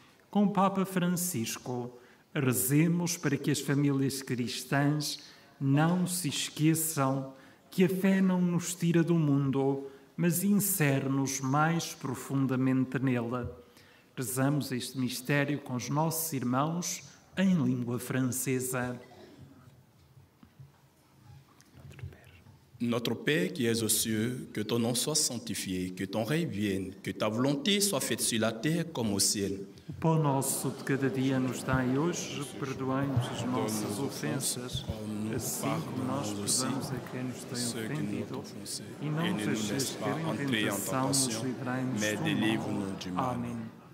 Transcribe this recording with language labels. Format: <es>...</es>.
<pt>Com o Papa Francisco, rezemos para que as famílias cristãs não se esqueçam que a fé não nos tira do mundo, mas insere-nos mais profundamente nela. Rezamos este mistério com os nossos irmãos em língua francesa.</pt> <fr>Notre Père qui es aux cieux, que ton nom soit sanctifié, que ton règne vienne, que ta volonté soit faite sur la terre comme au ciel.</fr> <pt>O pão nosso de cada dia nos dai hoje, perdoai-nos as nossas ofensas, assim como nós perdoamos a quem nos tem ofendido. E não nos deixeis cair em tentação, mas livrai-nos do mal. Amém.</pt>